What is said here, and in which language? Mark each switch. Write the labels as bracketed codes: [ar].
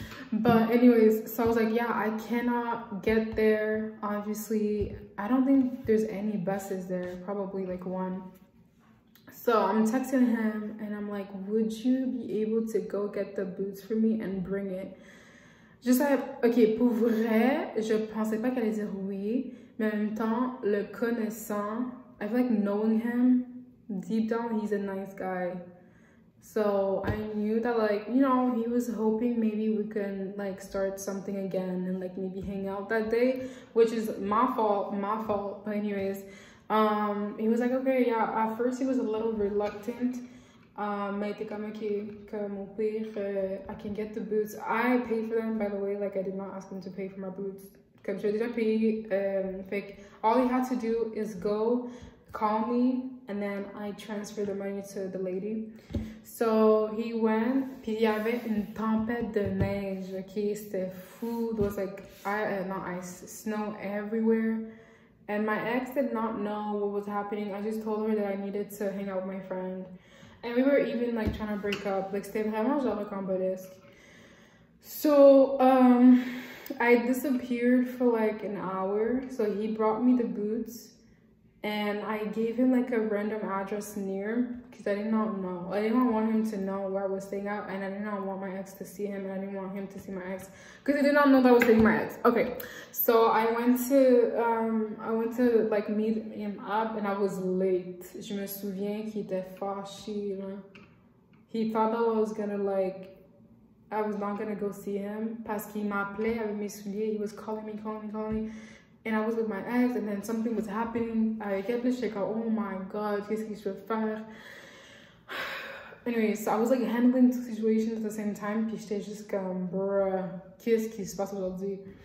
[en] But anyways, so I was like, yeah, I cannot get there, obviously. I don't think there's any buses there, probably like one. So I'm texting him and I'm like, would you be able to go get the boots for me and bring it? Just like, okay, [fr] pour vrai, je pensais pas qu'elle allait dire oui. Mais en même temps, le connaissant, [en] I feel like knowing him, deep down, he's a nice guy. So I knew that, like, you know, he was hoping maybe we can, like, start something again and, like, maybe hang out that day, which is my fault. But anyways, he was like, okay, yeah, at first he was a little reluctant. I can get the boots. I paid for them, by the way, like, I did not ask him to pay for my boots. All he had to do is go call me and then I transfer the money to the lady. So he went, [fr] puis il y avait une tempête de neige, okay, c'était fou. [en] It was like snow everywhere. And my ex did not know what was happening. I just told her that I needed to hang out with my friend. And we were even like trying to break up. Like, [fr] c'était vraiment genre cambolesque. [en] So I disappeared for like an hour. So he brought me the boots and I gave him like a random address near because I did not know. I did not want him to know where I was staying out, and I did not want my ex to see him, and I didn't want him to see my ex because he did not know that I was staying my ex. Okay. So I went to like meet him up and I was late. [fr] Je me souviens qu'il était fâché. [en] He thought that I was gonna like, I was not gonna go see him. [fr] Parce qu'il m'appelait avec mes souliers. [en] He was calling me. And I was with my ex, and then something was happening. I kept the shake out. Oh my god, [fr] qu'est-ce qu'il se faire? [en] Anyway, so I was like handling two situations at the same time. [fr] Puis j'étais juste comme, bruh, qu'est-ce qu'il se passe aujourd'hui?